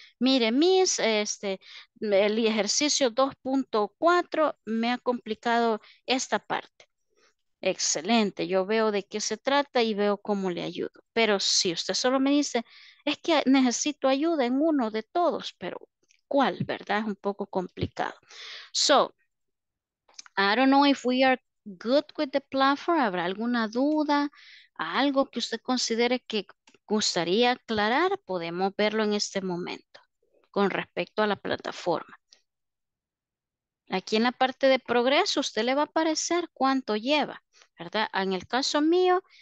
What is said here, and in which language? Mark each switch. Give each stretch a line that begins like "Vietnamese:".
Spanish: Mire, Miss, el ejercicio 2.4 me ha complicado esta parte. Excelente, yo veo de qué se trata y veo cómo le ayudo. Pero si usted solo me dice, es que necesito ayuda en uno de todos, pero ¿cuál, verdad? Es un poco complicado.
English: So, I don't know if we are good with the platform.
Spanish: ¿Habrá alguna duda? Algo que usted considere que gustaría aclarar, podemos verlo en este momento con respecto a la plataforma. Aquí en la parte de progreso, usted le va a aparecer cuánto lleva, ¿verdad? En el caso mío,